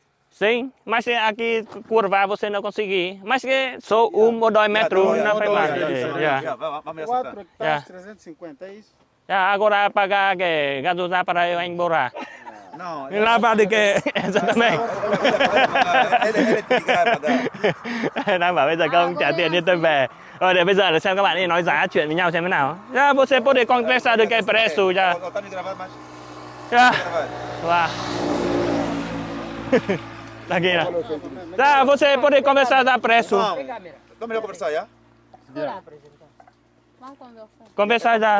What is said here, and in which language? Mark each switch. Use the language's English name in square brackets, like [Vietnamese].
[Portuguese] Sim, mas aqui curvar você não consegue. Mas que só um ou dois metros não faz mais. 4 hectares, 350, é isso? Agora pagar que gasolina para eu ir embora. Não. Lá para de que. Exatamente. Ele tem que pagar. Não, mas agora não tem dinheiro para ir. [Vietnamese] Rồi để bây giờ để xem các bạn đi nói giá chuyện với nhau xem thế nào. [Portuguese] Já você pode conversar do que é preço já. Já. Vá. Tá aqui, né? Já, você pode conversar do preço. Não. Então melhor conversar, já? Já. Vamos conversar. Conversar já.